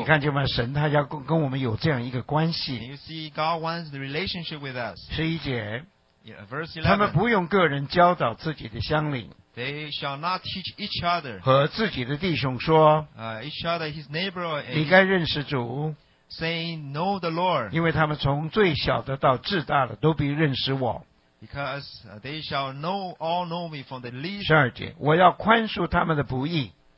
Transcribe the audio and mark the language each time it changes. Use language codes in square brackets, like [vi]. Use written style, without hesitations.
[zh] 你看见吗？神他要跟我们有这样一个关系。 [en] And you see God wants the relationship with us. [zh] 十一节。 [en] Yeah, verse 11, [zh] 他们不用个人教导自己的乡邻, [en] they shall not teach each other, [zh] 和自己的弟兄说, [en] each other, his neighbor, and [zh] 你该认识主, [en] saying, know the Lord, [zh] 因为他们从最小的到至大的都必认识我, [en] because they shall know, all know me from the least, [zh] 十二节, 我要宽恕他们的不义,